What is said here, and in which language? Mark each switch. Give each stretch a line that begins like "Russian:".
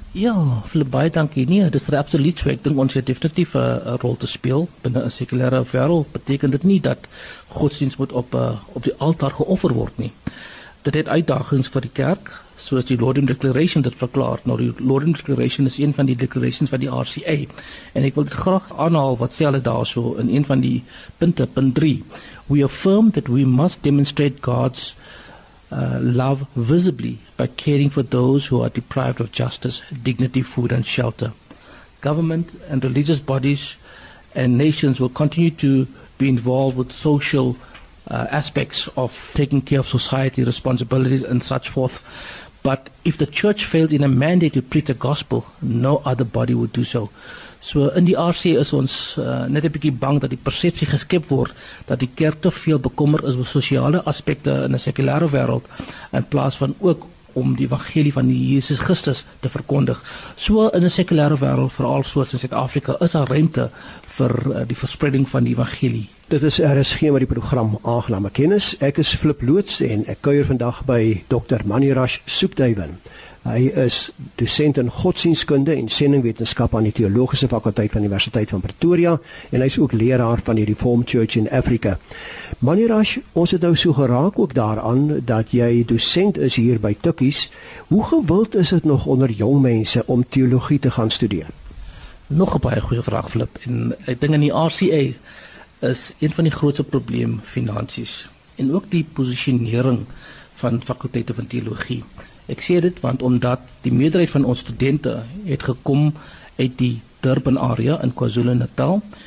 Afrikaans: Ja, baie dankie. Nee, dit is absoluut so. Ek dink ons het definitief 'n rol te speel binne 'n sekulêre wêreld. Beteken dit nie dat godsdienst moet op die altaar geoffer word nie. Dit het uitdagings vir die kerk, soos die Lord's Declaration dit verklaar. Nou, die Lord's Declaration is een van die declarations van die RCA. En ek wil dit graag aanhaal wat sê hulle daar so in een van die punte, punt 3.
English: We affirm that we must demonstrate God's love visibly by caring for those who are deprived of justice, dignity, food and shelter. Government and religious bodies and nations will continue to be involved with social aspects of taking care of society, responsibilities and such forth. But if the church failed in a mandate to preach the gospel, no other body would do so.
Afrikaans: So in die RCA is ons net 'n bietjie bang dat die persepsie geskep word dat die kerk te veel bekommer is oor sosiale aspekte in 'n sekulêre wêreld in plaas van ook om die evangelie van die Jesus Christus te verkondig. So in 'n sekulêre wêreld, veral soos in Suid-Afrika, is daar ruimte vir die verspreiding van die evangelie. Dit is RSG met die program Aangename Kennis. Ek is Flip Loots en ek kuier vandag by Dr. Manirash Soekduiven. Hy is docent in godsdienstkunde en sendingwetenskap aan die Theologiese Fakulteit van die Universiteit van Pretoria en hy is ook leraar van die Reformed Church in Africa. Manirash, ons het nou so geraak ook daaraan dat jy docent is hier by Tukkies. Hoe gewild is dit nog onder jong mense om teologie te gaan studeer? Nog 'n baie goeie vraag, Flip. En ek dink in die RCA is een van die grootste probleem finansies en ook die positionering van fakulteite van teologie. Ek sê dit want omdat die meerderheid van ons studente het gekom uit die Durban area in KwaZulu-Natal.